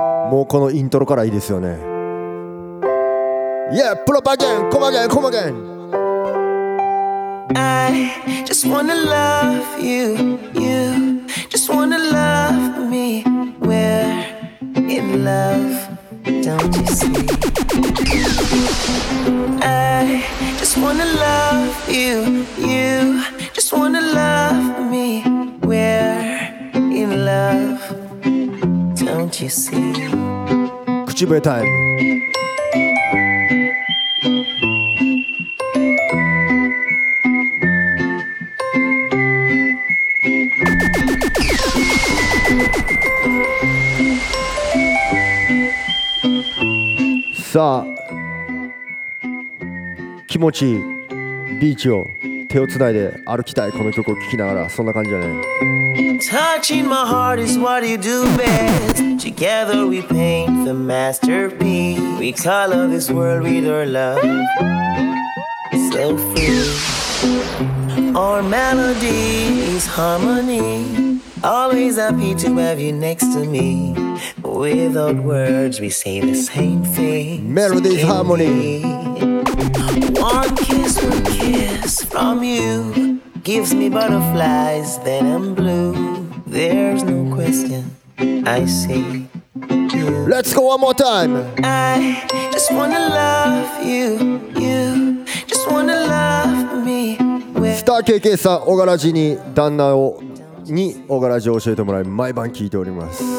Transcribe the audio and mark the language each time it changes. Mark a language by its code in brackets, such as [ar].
[ja] もうこのイントロからいいですよね。Yeah, プロパゲン、コマゲン、コマゲン。 [en] I just wanna love you, you just wanna love me. We're in love, don't you see? I just wanna love you, you just wanna love me. We're in love, don't you see? [ja] 口笛タイム。さあ、気持ちいいビーチを手をつないで歩きたい、この曲を聴きながら、そんな感じだね。 [en] Touching my heart is what you do best. Together we paint the masterpiece. We color this world with our love. So free. Our melody is harmony. Always happy to have you next to me. Without words, we say the same thing. Melody's harmony. One kiss from you gives me butterflies, then I'm blue. There's no question, I see you. Let's go one more time. I just wanna love you, you just wanna love me. [ja] With Star KK さん、オガラジに旦那をにオガラジを教えてもらい、毎晩聞いております。